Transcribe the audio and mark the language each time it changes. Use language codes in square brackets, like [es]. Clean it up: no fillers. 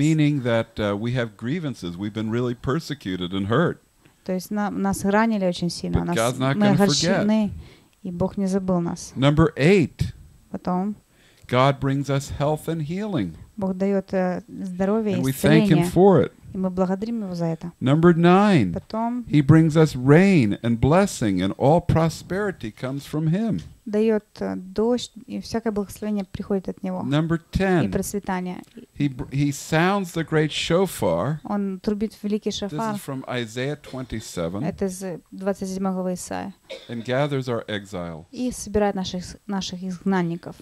[en] Meaning that we have grievances. We've been really persecuted and hurt. [ru] То есть нас ранили очень сильно, мы огорчены, и Бог не забыл нас. [en] Number 8. [ru] Потом. [en] God brings us health and healing. [ru] Бог дает здоровье и исцеление. [en] We thank Him for it. [ru] И мы благодарим Его за это. [en] Number 9. [ru] Потом. [en] He brings us rain and blessing, and all prosperity comes from Him. [ru] Дает дождь, и всякое благословение приходит от Него. [en] Number 10. [ru] И процветание. [en] He sounds the great shofar. [ru] Он трубит великий шофар. [en] This is from Isaiah 27. [ru] Это из 27 главы Исаия. [en] And gathers our exiles. [ru] И собирает наших изгнанников.